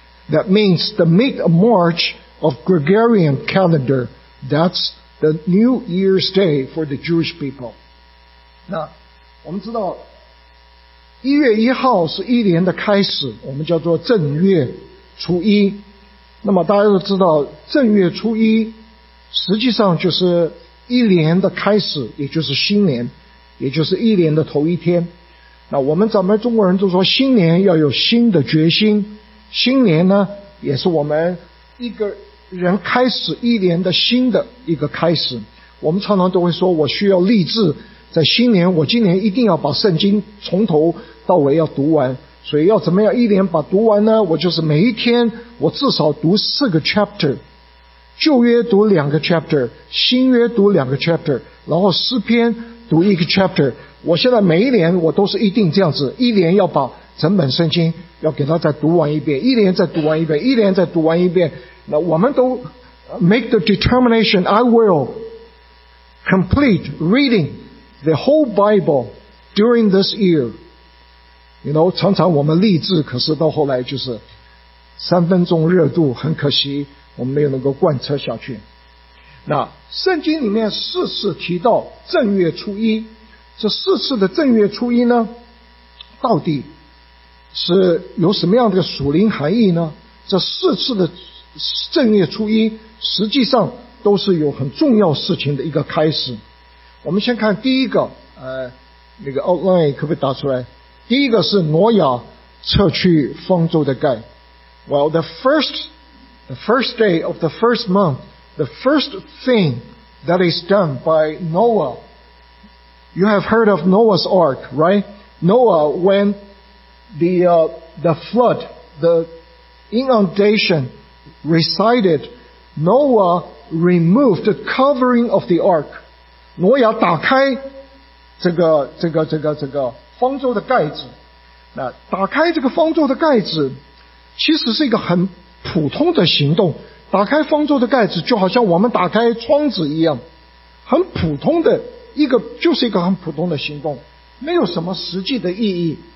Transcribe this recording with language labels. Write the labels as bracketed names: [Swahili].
[English] That means the mid-March of Gregorian calendar, that's the New Year's Day for the Jewish people. [Chinese] 那我们知道一月一号是一年的开始，我们叫做正月初一。那么大家都知道正月初一实际上就是一年的开始，也就是新年，也就是一年的头一天。那我们咱们中国人都说新年要有新的决心，新年呢也是我们一个人开始一年的新的一个开始。我们常常都会说我需要立志在新年，我今年一定要把圣经从头到尾要读完。所以要怎么样一年把读完呢？我就是每一天我至少读四个 chapter， 旧约读两个 chapter， 新约读两个 chapter， 然后诗篇读一个 chapter。我现在每一年我都是一定这样子，一年要把整本圣经要给他再读完一遍，一年再读完一遍，一年再读完一遍。那我们都 [English] make the determination I will complete reading the whole Bible during this year. You know, [Chinese] 常常我们立志，可是到后来就是三分钟热度，很可惜我们没有能够贯彻下去。那圣经里面四次提到正月初一，这四次的正月初一呢到底是有什么样的属灵含义呢？这四次的正月初一实际上都是有很重要事情的一个开始。我们先看第一个，那个 outline 可不可以打出来。第一个是挪亚撤去方舟的盖。 [English] Well, the first day of the first month, the first thing that is done by Noah. You have heard of Noah's Ark, right? Noah, when the flood, the inundation resided, Noah removed the covering of the ark. [Chinese] 挪亚打开这个方舟的盖子，那打开这个方舟的盖子其实是一个很普通的行动，打开方舟的盖子就好像我们打开窗子一样，很普通的一个，就是一个很普通的行动，没有什么实际的意义。